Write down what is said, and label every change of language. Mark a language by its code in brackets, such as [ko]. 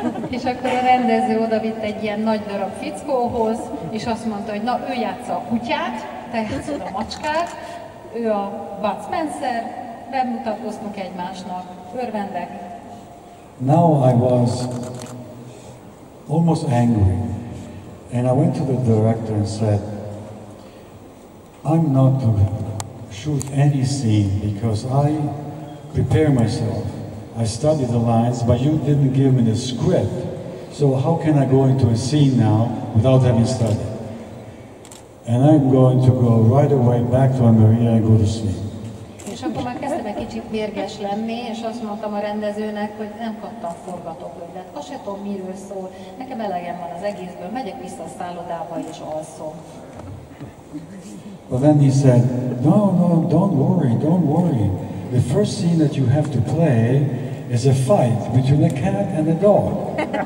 [hu] És akkor a rendező oda vitt egy ilyen nagy darab fickóhoz, és azt mondta, hogy na, ő játssza a kutyát, te játsszod a macskát, ő a Bud Spencer, bemutatkoztunk egymásnak, örvendek. [en] Now I was almost angry, and I went to the director and said, I'm not to shoot any scene because I prepare myself. I studied the lines, but you didn't give me the script, So how can I go into a scene now without having studied? And I'm going to go right away back to Almeria and go to sleep. [hu] És akkor már kezdtem egy kicsit mérges lenni, és azt mondtam a rendezőnek, hogy nem kaptam forgatókönyvet. Azt se tudom, miről szól. Nekem elegem van az egészből. Megyek vissza a szállodába és alszom. [en] But then he said, no, no, don't worry, don't worry. The first scene that you have to play is a fight between a cat and a dog.